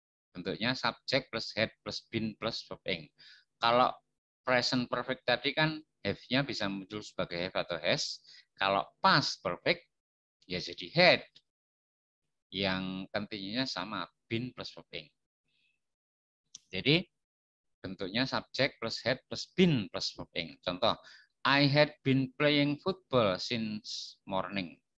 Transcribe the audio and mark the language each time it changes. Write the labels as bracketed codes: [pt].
[id] Bentuknya subject plus had plus been plus verb-ing. Kalau present perfect tadi kan have-nya bisa muncul sebagai have atau has. Kalau past perfect, ya jadi had. Yang continuous-nya sama, been plus verb-ing. Jadi bentuknya subject plus had plus been plus verb-ing. [en] Contoh, I had been playing football since morning.